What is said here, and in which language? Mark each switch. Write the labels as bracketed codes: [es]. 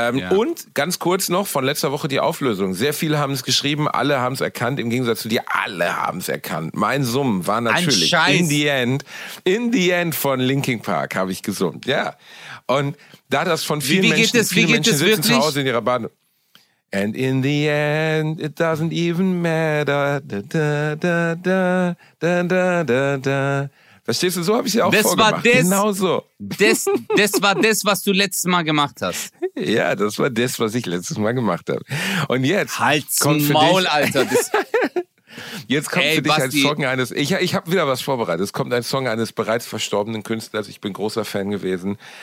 [de] Und ganz kurz noch von letzter Woche die Auflösung. Sehr viele haben es geschrieben, alle haben es erkannt. Im Gegensatz zu dir, alle haben es erkannt. Mein Summen war natürlich In the End von Linkin Park habe ich gesummt. Ja. Und da das von vielen Menschen sitzen zu Hause in ihrer Bahn. [en] And in the end, it doesn't even matter. Da, da, da, da, da, da, da, da. [de] Verstehst du, so habe ich sie auch das vorgemacht. Genau so. Das war das, was du letztes Mal gemacht hast. Ja, das war das, was ich letztes Mal gemacht habe. Und jetzt. Halt's Maul, Alter. Jetzt kommt für dich ein Song eines, ich habe wieder was vorbereitet, es kommt ein Song eines bereits verstorbenen Künstlers, ich bin großer Fan gewesen.